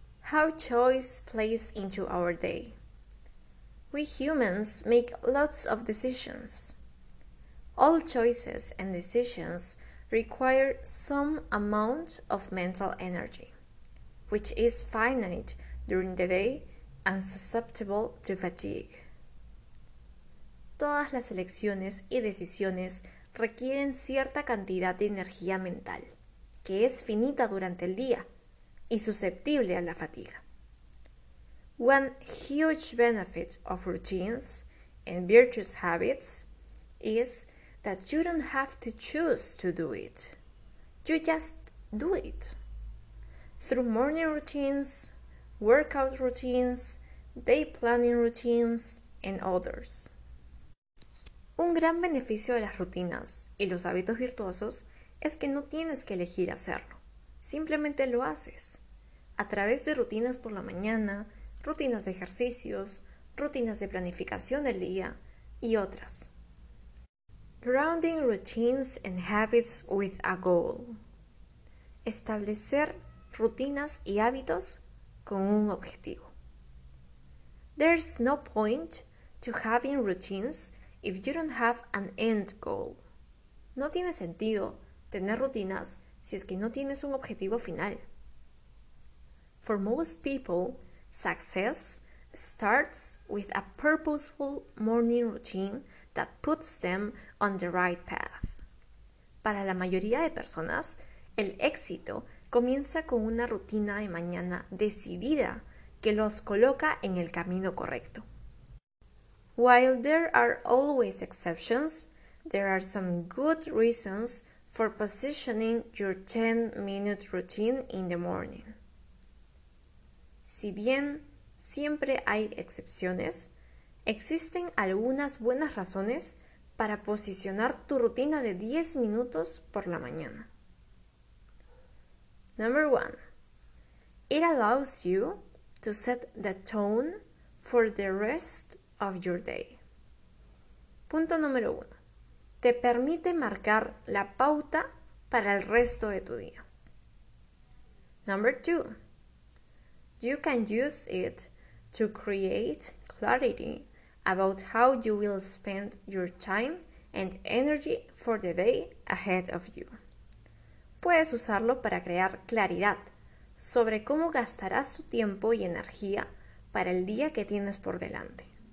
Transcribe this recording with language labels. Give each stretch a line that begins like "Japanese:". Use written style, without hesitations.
English: How choice plays into our day. We humans make lots of decisions. All choices and decisions require some amount of mental energy, which is finite during the day and susceptible to fatigue.
Spanish: Todas las elecciones y decisiones requieren cierta cantidad de energía mental, que es finita durante el día y susceptible a la fatiga.
English: One huge benefit of routines and virtuous habits is that you don't have to choose to do it. You just do it. Through morning routines, workout routines, day planning routines, and others.
Spanish: Un gran beneficio de las rutinas y los hábitos virtuosos es que no tienes que elegir hacerlo. Simplemente lo haces. A través de rutinas por la mañana, rutinas de ejercicios, rutinas de planificación del día y otras.
English: Grounding routines and habits with a goal.
Spanish: Establecer rutinas y hábitos con un objetivo.
English: There's no point to having routines if you don't have an end goal.
Spanish: No tiene sentido tener rutinas si es que no tienes un objetivo final.
English: For most people, success starts with a purposeful morning routine that puts them on the right path.
Spanish: Para la mayoría de personas, el éxito comienza con una rutina de mañana decidida que los coloca en el camino correcto.
English: While there are always exceptions, there are some good reasons for positioning your 10-minute routine in the morning.
Spanish: Si bien siempre hay excepciones, existen algunas buenas razones para posicionar tu rutina de 10 minutos por la mañana.
English: Number 1. It allows you to set the tone for the rest of your day.
Spanish: Punto número 1. Te permite marcar la pauta para el resto de tu día.
English: Number 2. You can use it to create clarity about how you will spend your time and energy for the day ahead of you.
Spanish: Puedes usarlo para crear claridad sobre cómo gastarás tu tiempo y energía para el día que tienes por delante.